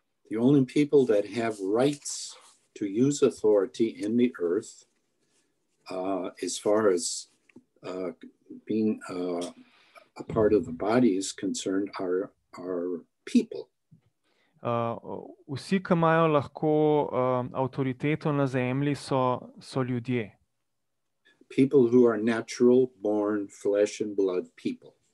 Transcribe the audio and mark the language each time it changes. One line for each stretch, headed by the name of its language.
English: The only people that have rights to use authority in the earth, as far as being a part of the body is concerned, are people.
Slovenian: Vsi, ki imajo lahko avtoriteto na zemlji, so ljudje.
English: People who are natural, born, flesh and blood people.